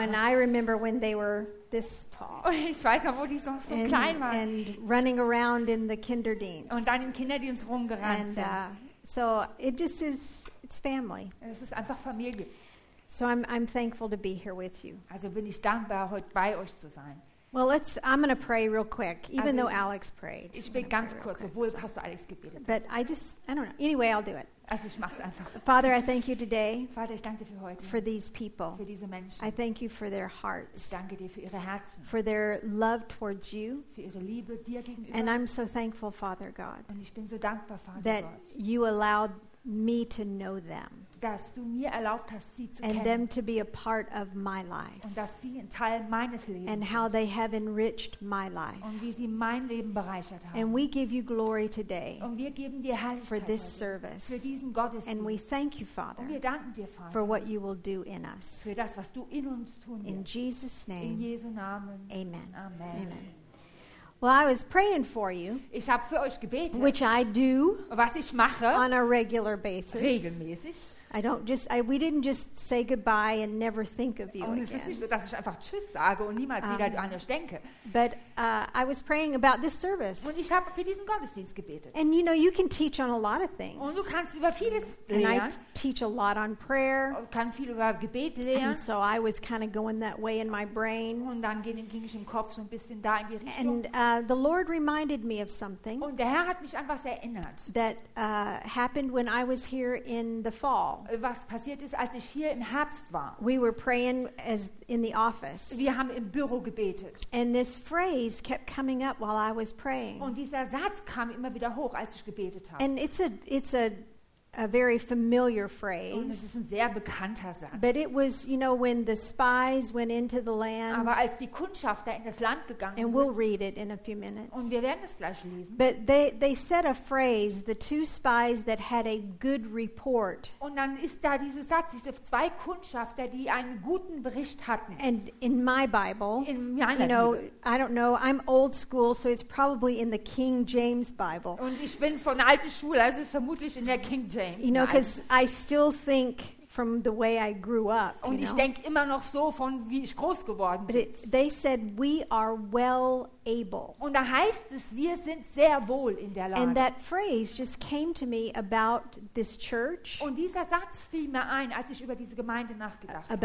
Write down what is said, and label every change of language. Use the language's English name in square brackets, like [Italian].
[English] You know, and I remember when they were this tall. [German] Ich weiß noch, wo die noch so klein waren. [English] And running around in the Kinderdienst. [German] Und dann im Kinderdienst rumgerannt sind. [English] So it just is, it's family. [German] Es ist einfach Familie. [English] So I'm thankful to be here with you. [German] Also bin ich dankbar, heute bei euch zu sein. [English] Well, I'm going to pray real quick, even also, though Alex prayed. [German] Ich bin ganz kurz, obwohl Pastor Alex gebetet hat. [English] But I don't know. Anyway, I'll do it. [German] Also ich mach's einfach. [English] Father, I thank you today. [German] Vater, ich danke dir für heute. [English] For these people. [German] Für diese Menschen. [English] I thank you for their hearts. [German] Ich danke dir für ihre Herzen. [English] For their love towards you. [German] Für ihre Liebe dir gegenüber. [English] And I'm so thankful, Father God. [German] Und ich bin so dankbar, Vater Gott. [English] That you allowed me to know them. [German] Dass du mir erlaubt hast, sie zu [English] and [German] kennen. [English] Them to be a part of my life. [German] Und dass sie ein Teil meines Lebens [English] and [German] sind. [English] How they have enriched my life. [German] Und wie sie mein Leben bereichert haben. [English] And we give you glory today. [German] Und wir geben dir Herrlichkeit [English] for this service. [German] Für diesen Gottesdienst. [English] And we thank you, Father, [German] und wir danken dir, Vater, [English] for what you will do in us. [German] Für das, was du in uns tun wirst. [English] In Jesus' name. [German] In Jesu Namen. [English] Amen. [German] Amen. Amen. [English] Well, I was praying for you. [German] Ich habe für euch gebetet. [English] Which I do. [German] Was ich mache. [English] On a regular basis. [German] Regelmäßig. [English] We didn't just say goodbye and never think of you [German] und Und es ist nicht so, dass ich einfach Tschüss sage und niemals wieder an euch denke. [English] But I was praying about this service. [German] Und ich habe für diesen Gottesdienst gebetet. [English] And you know, you can teach on a lot of things. [German] Und du kannst über vieles lernen. [English] And I teach a lot on prayer. [German] Und kann viel über Gebet lernen. [English] And so I was kind of going that way in my brain. [German] Und dann ging ich im Kopf so ein bisschen da in die Richtung. [English] And the Lord reminded me of something. [German] Und der Herr hat mich an was erinnert. [English] That happened when I was here in the fall. [German] Was passiert ist, als ich hier im Herbst war. [English] We were praying as in the office. [German] Wir haben im Büro gebetet. [English] And this phrase kept coming up while I was praying. [German] Und dieser Satz kam immer wieder hoch, als ich gebetet habe. [English] And it's a very familiar phrase. [German] Und es ist ein sehr bekannter Satz. [English] But it was, you know, when the spies went into the land. [German] Aber als die Kundschafter in das Land gegangen [English] and [German] sind. [English] We'll read it in a few minutes. [German] Und wir werden es gleich lesen. [English] But they said a phrase, the two spies that had a good report. [German] Und dann ist da dieser Satz, diese zwei Kundschafter, die einen guten Bericht hatten. [English] And in my Bible, [German] in meiner [English] you know, [German] Bibel. [English] I don't know, I'm old school, so it's probably in the King James Bible. [German] Und ich bin von alten Schule, also ist vermutlich in der King James. [English] You know, because I still think from the way I grew up. [German] Und ich denk immer noch so von wie ich groß geworden bin. [English] But they said we are well able. [German] Und da heißt es, wir sind sehr wohl in der Lage. [English] And that phrase just came to me about this church. [German] Und dieser Satz fiel mir ein, als ich über diese Gemeinde nachgedacht habe.